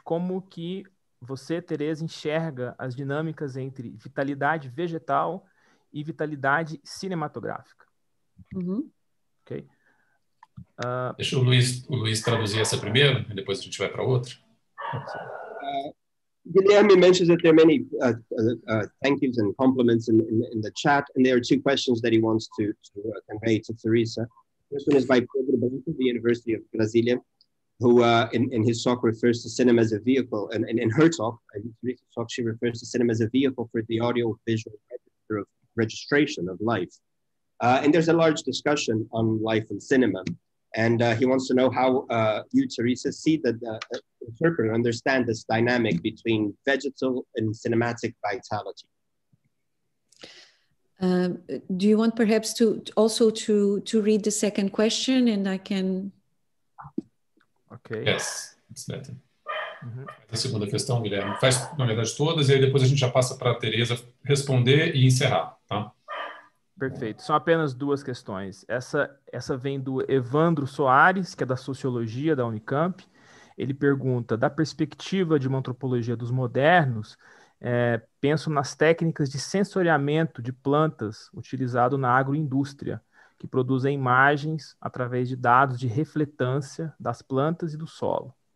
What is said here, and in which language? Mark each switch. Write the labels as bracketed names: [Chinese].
[Portuguese] Como que você, Teresa, enxerga as dinâmicas entre vitalidade vegetal e vitalidade cinematográfica? Uhum. [English] Okay. [Portuguese] Deixa o Luiz traduzir essa primeiro, e depois a gente vai para a outra. [English] Guilherme mentions that there are many thank yous and compliments in the chat, and there are two questions that he wants to convey to Teresa. This one is by Pedro Branco of the University of Brasilia, who in his talk refers to cinema as a vehicle, and in her talk, in Teresa's talk, she refers to cinema as a vehicle for the audiovisual register of registration of life. And there's a large discussion on life and cinema. And he wants to know how you, Teresa, see that interpret and understand this dynamic between vegetal and cinematic vitality. Do you want perhaps to also read the second question, and I can? Okay. Yes, it's better. Mm-hmm. [Portuguese] A segunda questão, [English] Guilherme. [Portuguese] Faz, na verdade, todas, e aí depois a gente já passa para a Teresa responder e encerrar, tá? Perfeito. São apenas duas questões. Essa vem do Evandro Soares, que é da Sociologia da Unicamp. Ele pergunta, da perspectiva de uma antropologia dos modernos, penso nas técnicas de sensoriamento de plantas utilizado na agroindústria, que produzem imagens através de dados de refletância das plantas e do solo.